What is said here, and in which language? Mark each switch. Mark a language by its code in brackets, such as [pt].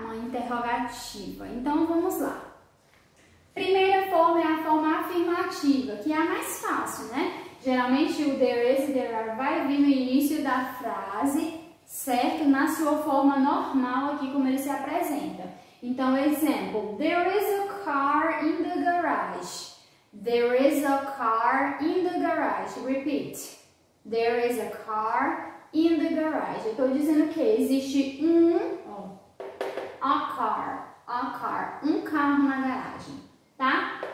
[pt] Uma interrogativa. Então, vamos lá. Primeira forma é a forma afirmativa, que é a mais fácil, né? Geralmente, o there is, there are vai vir no início da frase, certo? Na sua forma normal, aqui como ele se apresenta. Então, exemplo. [en] There is a car in the garage. There is a car in the garage. Repeat. There is a car in the garage. [pt] Eu estou dizendo o quê? Existe um... [en] a car, [pt] um carro na garagem, tá?